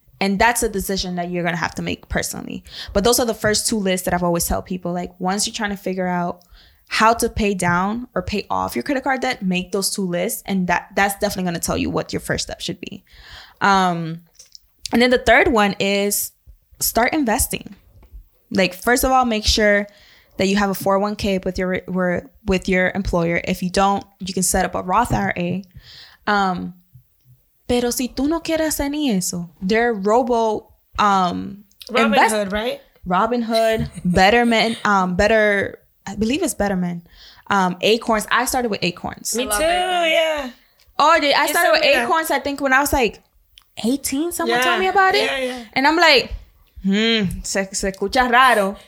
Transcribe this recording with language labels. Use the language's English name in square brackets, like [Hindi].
[English] And that's a decision that you're going to have to make personally. But those are the first two lists that I've always tell people, like, once you're trying to figure out how to pay down or pay off your credit card debt, make those two lists. And that's definitely going to tell you what your first step should be. And then the third one is start investing. Like, first of all, make sure that you have a 401k with your employer. If you don't, you can set up a Roth IRA. [Spanish] Pero si tú no quieres hacer ni eso, [English] they're robo Robinhood, right? Robinhood, Betterment, I believe it's Betterment. Acorns. I started with Acorns. Me too. It. Yeah. Oh, I started with Acorns. I think when I was like 18, someone told me about it. Yeah. And I'm like, [Spanish] se escucha raro.